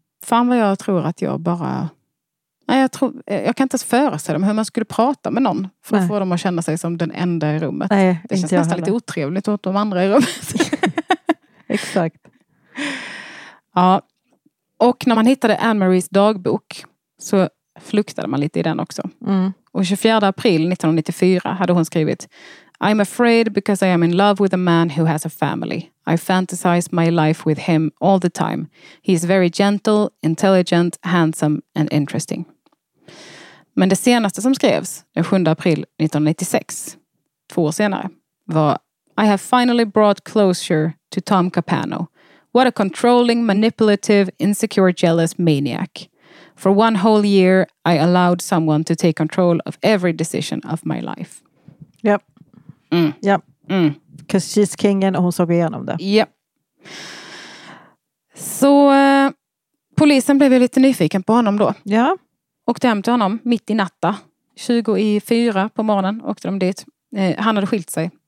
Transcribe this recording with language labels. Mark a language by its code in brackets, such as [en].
[sv] Fan vad jag tror att jag bara... Nej, jag kan inte ens föreställa mig hur man skulle prata med någon. För att få dem att känna sig som den enda i rummet. Nej, det känns nästan lite otrevligt åt de andra i rummet. Exakt. Ja, och när man hittade Anne-Maries dagbok så fluktade man lite i den också. Mm. Och 24 april 1994 hade hon skrivit, [en] I'm afraid because I am in love with a man who has a family. I fantasize my life with him all the time. He is very gentle, intelligent, handsome and interesting. [sv] Men det senaste som skrevs den 7 april 1996, 2 år senare, var [en] I have finally brought closure to Tom Capano. What a controlling, manipulative, insecure, jealous maniac. For one whole year, I allowed someone to take control of every decision of my life. Yep. Mm. Yep. Mm. Because she's [sv] kingen och hon såg igenom det. [en] Yep. [sv] Så polisen blev ju lite nyfiken på honom då. Ja. Åkte hem till honom mitt i natta. 20 i 4 på morgonen åkte de dit. Han hade skilt sig.